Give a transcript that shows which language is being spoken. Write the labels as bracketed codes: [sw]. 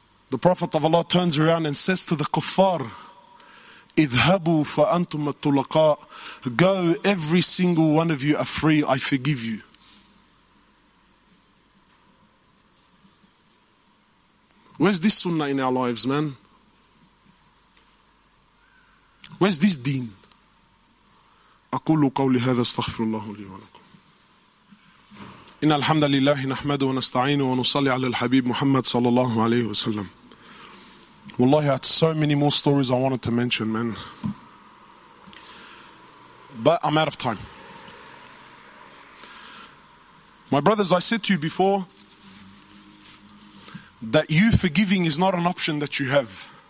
[en] The Prophet of Allah turns around and says to the kuffar, [ar] اذهبوا فأنتم الطلقاء. [en] Go, every single one of you are free, I forgive you. Where's this sunnah in our lives, man? Where's this deen? [ar] أقول قولي هذا استغفر الله لي ولكم. إن الحمد لله نحمد ونستعين ونصلي على الحبيب محمد صلى الله عليه وسلم. [en] Wallahi, I had so many more stories I wanted to mention, man. But I'm out of time. My brothers, I said to you before, that you forgiving is not an option that you have.